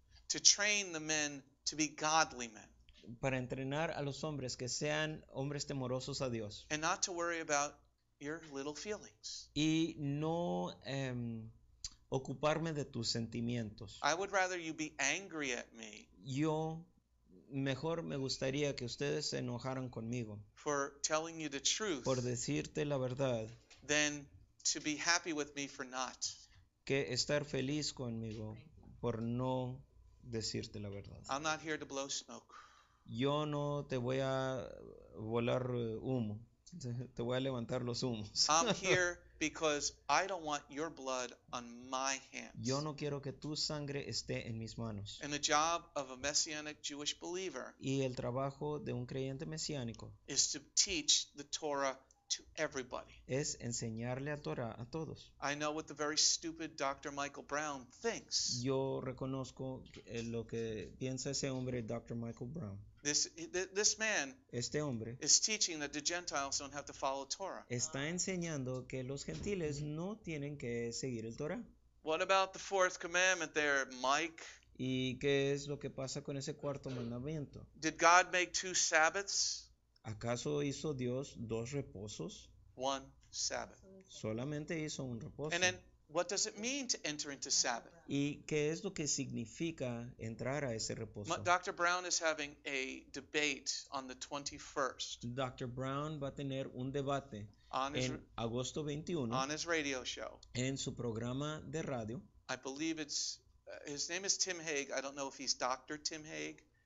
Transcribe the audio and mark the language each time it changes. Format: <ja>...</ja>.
<en>To train the men to be godly men.</en> <es>Para entrenar a los hombres que sean hombres temerosos a Dios.</es> <en>And not to worry about your little feelings.</en> <es>Y no ocuparme de tus sentimientos.</es> <en>I would rather you be angry at me.</en> <es>Yo mejor me gustaría que ustedes se enojaran conmigo.</es> <en>For telling you the truth.</en> <es>Por decirte la verdad.</es> <en>Than to be happy with me for not.</en> <es>Que estar feliz conmigo por no decirte la verdad.</es> <en>I'm not here to blow smoke.</en> <es>Yo no te voy a volar humo. Te voy a levantar los humos.</es> <en>I'm here because I don't want your blood on my hands.</en> <es>Yo no quiero que tu sangre esté en mis manos.</es> <en>And the job of a messianic Jewish believer.</en> <es>Y el trabajo de un creyente mesiánico.</es> <en>Is to teach the Torah to everybody.</en> <es>Es enseñarle a Torah a todos.</es> <en>I know what the very stupid Dr. Michael Brown thinks.</en> <es>Yo reconozco lo que piensa ese hombre, Dr. Michael Brown.</es> <en>This man,</en> <es>este hombre,</es> <en>is teaching that the Gentiles don't have to follow Torah.</en> <es>Está enseñando que los gentiles no tienen que seguir el Torah.</es> <en>What about the fourth commandment there, Mike?</en> <es>¿Y qué es lo que pasa con ese cuarto mandamiento?</es> <en>Did God make two Sabbaths?</en> <es>¿Acaso hizo Dios dos reposos?</es> <en>One Sabbath.</en> <es>Solamente hizo un reposo.</es> <en>And then, what does it mean to enter into Sabbath?</en> <es>¿Y qué es lo que significa entrar a ese reposo?</es> <en>Dr. Brown is having a debate on the 21st.</en> <es>Dr. Brown va a tener un debate en agosto 21.</es> <en>On his radio show.</en> <es>En su programa de radio.</es> <en>I believe it's, his name is Tim Haig. I don't know if he's Dr. Tim Haig.</en>